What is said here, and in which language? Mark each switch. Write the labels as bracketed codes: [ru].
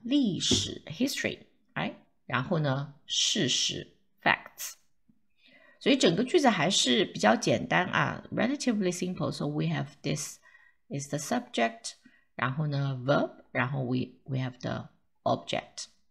[en] 历史 history, right? [zh] 然后呢，事实 facts. 所以整个句子还是比较简单啊， [en] relatively simple. So we have this is the subject. [zh] 然后呢 [en] verb. [zh] 然后 [en] we have the object.